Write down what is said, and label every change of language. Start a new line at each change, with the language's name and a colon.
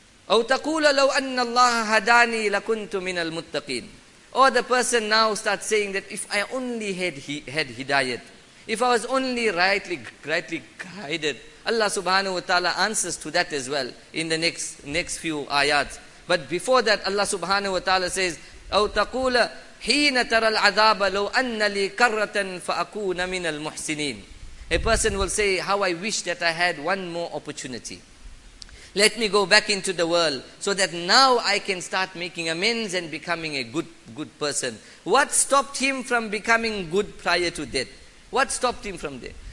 Arabic: أَوْ تَقُولَ لَوْ أَنَّ اللَّهَ هَدَانِي لَكُنْتُ مِنَ الْمُتَّقِينَ.
English: Or the person now starts saying that if I only had hidayat, if I was only rightly guided. Allah subhanahu wa ta'ala answers to that as well in the next few ayat. But before that, Allah subhanahu wa ta'ala says,
Arabic: أَوْ تَقُولَ حِينَ تَرَى الْعَذَابَ لَوْ أَنَّ لِي كَرَّةً فَأَكُونَ مِنَ الْمُحْسِنِينَ.
English: A person will say, how I wish that I had one more opportunity. Let me go back into the world so that now I can start making amends and becoming a good person. What stopped him from becoming good prior to death? What stopped him from there?